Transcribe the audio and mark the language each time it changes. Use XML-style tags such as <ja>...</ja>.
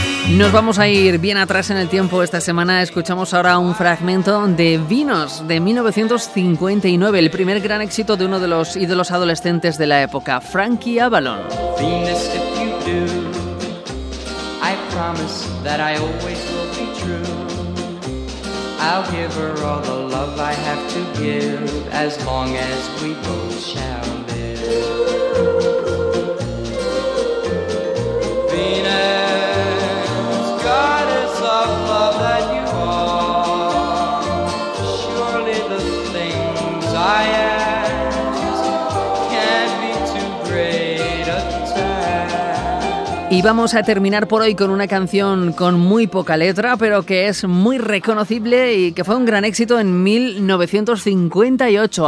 <es>Nos vamos a ir bien atrás en el tiempo esta semana. Escuchamos ahora un fragmento de Vinos, de 1959, el primer gran éxito de uno de los ídolos adolescentes de la época, Frankie Avalon.</es> <en>Venus, if you do, I promise that I always will be true. I'll give her all the love I have to give, as long as we both shall live. Venus, goddess of love that you are, surely the things I ask can't be too great a task.</en> <es>Y vamos a terminar por hoy con una canción con muy poca letra, pero que es muy reconocible y que fue un gran éxito en 1958.</es>